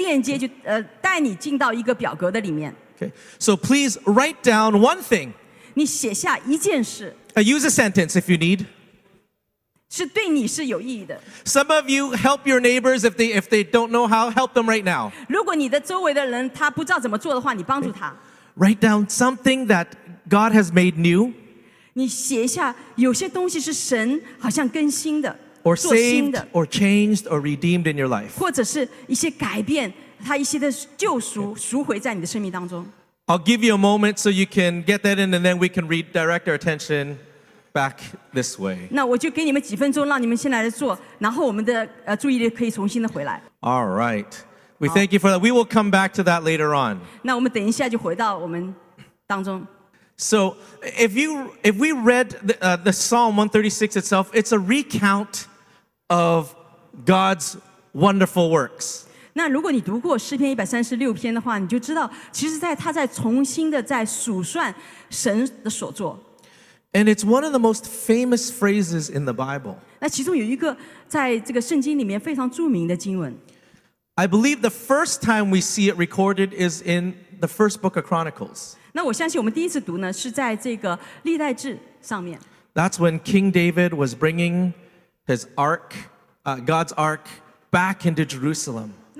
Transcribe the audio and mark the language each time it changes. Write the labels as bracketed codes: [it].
[zh] 那如果你在我们的WhatsApp的那个就是西安家庭群的话呢，它就有一个链接，就带你进到一个表格的里面。 [en] Okay. So please write down one thing. [zh] 你写下一件事。 [en] Use a sentence if you need. [zh] 是对你是有意义的。 [en] Some of you help your neighbors if they don't know how, help them right now. [zh] 如果你的周围的人他不知道怎么做的话，你帮助他。 [en] Okay. Write down something that God has made new. [zh] 你写下有些东西是神好像更新的。 [en] Or saved, or changed, or redeemed in your life. [zh] 或者是一些改变, 他一些的救赎, okay. 赎回在你的生命当中。 [en] I'll give you a moment so you can get that in, and then we can redirect our attention back this way. [zh] 那我就给你们几分钟, 让你们先来做, 然后我们的, 注意力可以重新的回来。 [en] All right. We thank you for that. We will come back to that later on. [zh] 那我们等一下就回到我们当中。 [en] So if we read the Psalm 136 itself, it's a recount of God's wonderful works. [zh] 那如果你读过诗篇136篇的话, 你就知道其实在他在重新的在数算神的所作。 [en] And it's one of the most famous phrases in the Bible. [zh] 那其中有一个在这个圣经里面非常著名的经文。 [en] I believe the first time we see it recorded is in the first book of Chronicles. [zh] 那我相信我们第一次读呢是在这个历代志上面。 [en] That's when King David was bringing his ark, God's ark, back into Jerusalem.